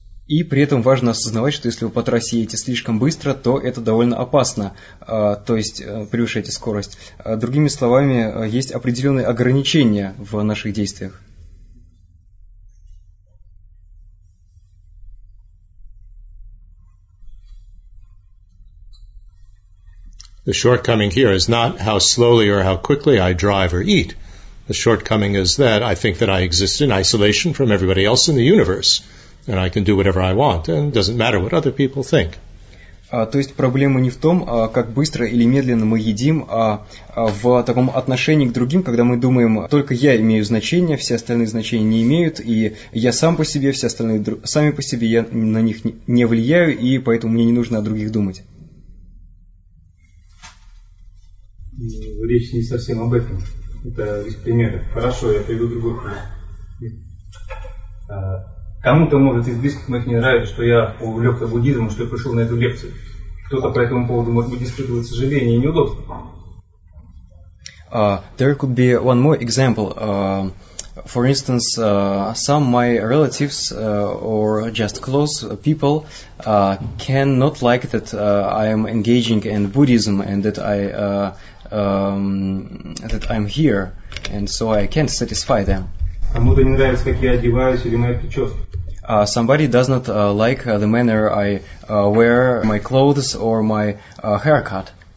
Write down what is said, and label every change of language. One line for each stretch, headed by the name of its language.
Russian: И при этом важно осознавать, что если вы по трассе едете слишком быстро, то это довольно опасно, то есть превышаете скорость. Другими словами, есть определенные ограничения в наших действиях.
English: The shortcoming here is not how slowly or how quickly I drive or eat. The shortcoming is that I think that I exist in isolation from everybody else in the universe, and I can do whatever I want, and it doesn't matter what other people think.
Russian: То есть проблема не в том, как быстро или медленно мы едим, а в таком отношении к другим, когда мы думаем, только я имею значение, все остальные значения не имеют, и я сам по себе, все остальные сами по себе, я на них не влияю, и поэтому мне не нужно о других думать. Речь не совсем об этом. Это из примера. Хорошо, я приведу другой пример. Кому-то, может, из близких моих не нравится, что я увлекся буддизмом, что я пришел на эту лекцию. Кто-то по этому поводу может быть испытывать сожаление и неудобство.
English: There could be one more example. For instance, some my relatives or just close people cannot like that I am engaging in Buddhism and that I that I'm here, and so I can't satisfy them.
Russian: Кому-то не нравится, как я одеваюсь или моя прическа.
English: Somebody does not like the manner I wear my clothes or my haircut.